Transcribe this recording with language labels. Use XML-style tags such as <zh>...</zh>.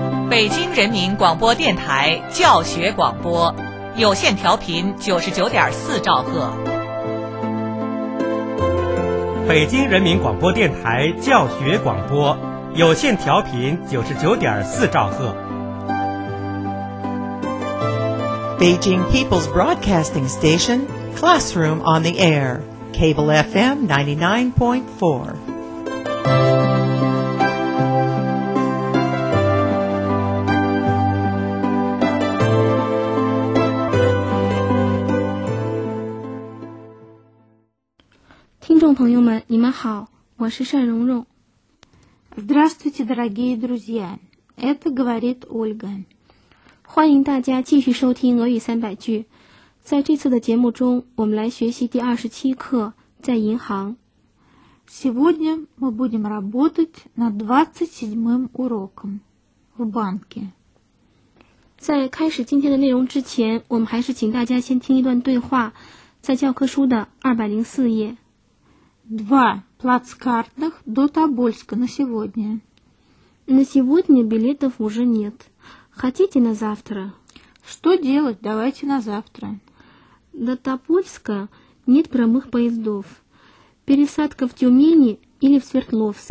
<zh>北京人民广播电台教学广播，有线调频99.4兆赫。北京人民广播电台教学广播，有线调频99.4兆赫。</zh> <en>Beijing People's Broadcasting Station, Classroom on the Air, Cable FM 99.4.</en> <ru>Дорогие друзья,</ru> <zh>ни махао, ва ши ша рун рун.</zh> <ru>Здравствуйте, дорогие друзья. Это говорит Ольга.</ru> <zh>欢迎大家继续收听俄语三百句。在这次的节目中，我们来学习第27课，在银行。</zh> <ru>Сегодня мы будем работать над 27-м уроком в банке.</ru> <zh>在开始今天的内容之前，我们还是请大家先听一段对话，在教科书的204页。</zh> <ru>Два плацкартных до Тобольска на сегодня. На сегодня билетов уже нет. Хотите на завтра? Что делать? Давайте на завтра. До Тобольска нет прямых поездов. Пересадка в Тюмени или в Свердловск.</ru>